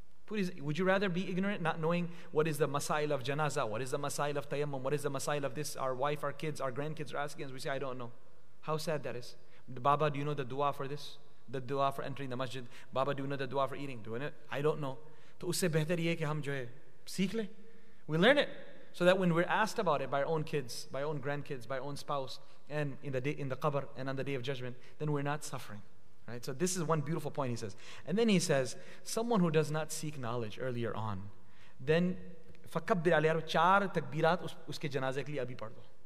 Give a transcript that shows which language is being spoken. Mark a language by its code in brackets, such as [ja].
[en] Would you rather be ignorant, not knowing what is the masail of janaza, what is the masail of tayammum, what is the masail of this? Our wife, our kids, our grandkids are asking us, we say, I don't know. How sad that is. Baba, do you know the dua for this? The dua for entering the masjid. Baba, do you know the dua for eating? Doing it? I don't know. [ur] تو اس سے بہتر یہ کہ ہم جو ہے، سیکھ لے. [en] We learn it. So that when we're asked about it by our own kids, by our own grandkids, by our own spouse, and in the qabr and on the day of judgment, then we're not suffering. Right? So this is one beautiful point he says. And then he says, someone who does not seek knowledge earlier on, then [ar] فکبر علی [ur] چار تکبیرات اس کے جنازے کے لیے ابھی پڑھ دو.